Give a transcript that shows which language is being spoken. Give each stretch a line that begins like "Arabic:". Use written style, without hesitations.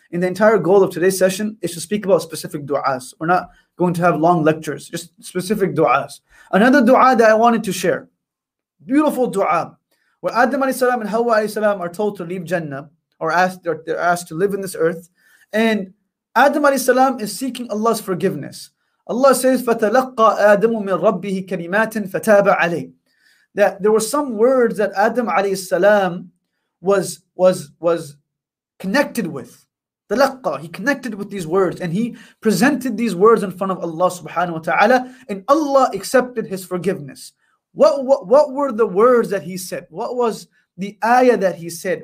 English: And the entire goal of today's session is to speak about specific du'as. We're not going to have long lectures, just specific du'as. Another du'a that I wanted to share, beautiful du'a, where Adam alayhi salam and Hawa alayhi salam are told to leave Jannah, or they're asked to live in this earth. And Adam alayhi salam is seeking Allah's forgiveness. Allah says,
Arabic: فَتَلَقَّ آدَمُ مِنْ رَبِّهِ كَلِمَاتٍ فَتَابَ عَلَيْهِ.
English: That there were some words that Adam alayhi salam was connected with.
Arabic: تَلَقَّى.
English: He connected with these words and he presented these words in front of Allah subhanahu wa ta'ala, and Allah accepted his forgiveness. What were the words that he said? What was the ayah that he said?